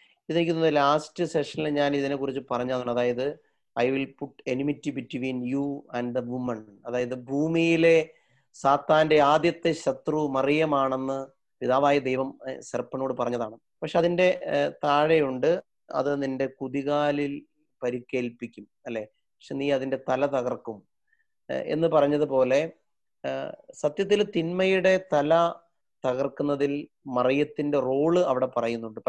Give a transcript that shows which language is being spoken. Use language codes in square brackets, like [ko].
[ml] ഇതെങ്കിലും [en] the last session [ml] ല ഞാൻ ഇതിനെക്കുറിച്ച് പറഞ്ഞതാണ്. അതായത് [en] I will put enmity between you and the woman. [ml] അതായത് ഭൂമിയിലെ സാത്താന്റെ ആദ്യത്തെ ശത്രു മറിയമാണെന്ന് പിതാവായ ദൈവം സർപ്പനോട് പറഞ്ഞതാണ്. പക്ഷെ അതിന്റെ താഴെയുണ്ട്, അത് നിന്റെ കുതികാലിൽ പരിക്കേൽപ്പിക്കും അല്ലെ, പക്ഷെ നീ അതിന്റെ തല തകർക്കും എന്ന് പറഞ്ഞതുപോലെ, സത്യത്തിൽ തിന്മയുടെ തല തകർക്കുന്നതിൽ മറിയത്തിന്റെ റോള് അവിടെ പറയുന്നുണ്ട്.